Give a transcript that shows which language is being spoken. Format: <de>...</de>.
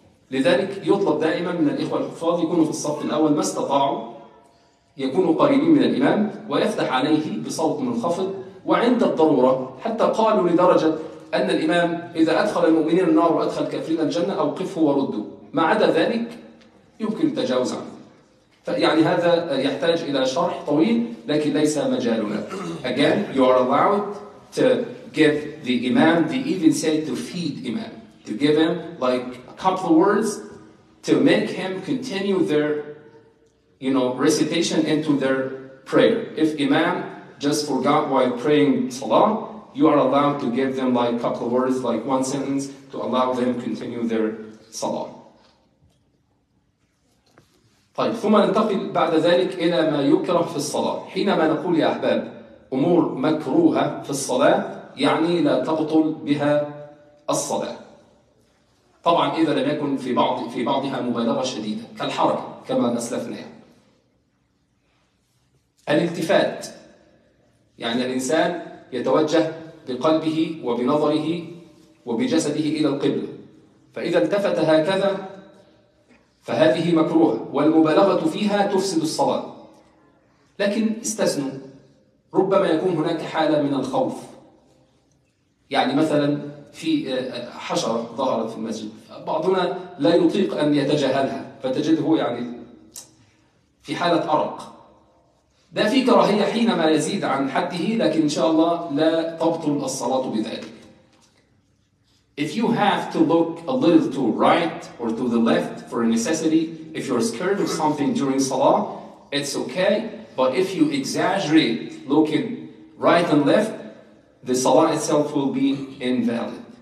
<ar>لذلك يطلب دائما من الإخوة الحفاظ يكونوا في الصف الأول ما استطاعوا، يكونوا قريبين من الإمام ويفتح عليه بصوت منخفض، وعند الضرورة حتى قالوا لدرجة أن الإمام إذا أدخل المؤمنين النار وأدخل كافرين الجنة أوقفه ورده، ما عدا ذلك يمكن التجاوز عنه. فيعني هذا يحتاج إلى شرح طويل، لكن ليس مجالنا.</ar> <en>Again, you are allowed to give the imam, they even said to feed imam, to give him like a couple of words to make him continue their, you know, recitation into their prayer. If imam just forgot while praying salah, you are allowed to give them like a couple of words, like one sentence, to allow them continue their salah.</en> <ar>طيب ثم ننتقل بعد ذلك إلى ما يكره في الصلاة. حينما نقول يا أحباب أمور مكروهة في الصلاة، يعني لا تبطل بها الصلاة. طبعا إذا لم يكن في بعضها مبالغة شديدة، كالحركة كما أسلفناها. الالتفات، يعني الإنسان يتوجه بقلبه وبنظره وبجسده إلى القبلة، فإذا التفت هكذا فهذه مكروهة، والمبالغة فيها تفسد الصلاة. لكن استثنوا، ربما يكون هناك حالة من الخوف، يعني مثلا في حشرة ظهرت في المسجد، بعضنا لا يطيق أن يتجاهلها، فتجده يعني في حالة أرق. ده في كراهية حينما يزيد عن حده، لكن إن شاء الله لا تبطل الصلاة بذلك.</ar> <en>If you have to look a little to right or to the left for a necessity, if you're scared of something during salah, it's okay. But if you exaggerate looking right and left, the salah itself will be invalid.</en>